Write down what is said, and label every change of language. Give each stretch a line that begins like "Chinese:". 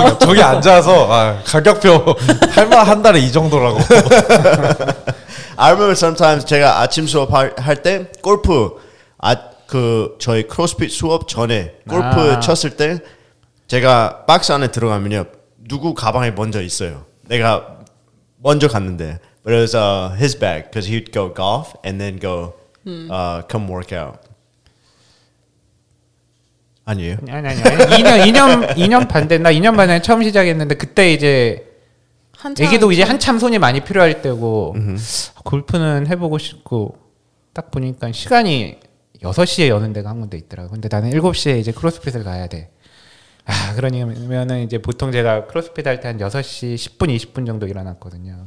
Korean: 저기 앉아서 아, 가격표 한 달에 이 정도라고.
English: I remember sometimes
Korean: 제가 아침 수업 할 때 골프 아 그 저희 크로스핏 수업 전에 골프 아. 쳤을 때 제가 박스 안에 들어가면요 누구 가방에 먼저 있어요. 내가 먼저 갔는데
English: but it was his bag because he'd go golf and then go come work out.
Korean: 아니에요? 아니에요. 2년 반대. 나 2년 반에 처음 시작했는데 그때 이제 얘기도 이제 한참 손이 많이 필요할 때고 골프는 해보고 싶고 딱 보니까 시간이 6시에 여는 데가 한 군데 있더라고. 근데 나는 7시에 이제 크로스핏을 가야 돼. 아, 그러니면은 이제 보통 제가 크로스핏 할 때 한 6시 10분 20분 정도 일어났거든요.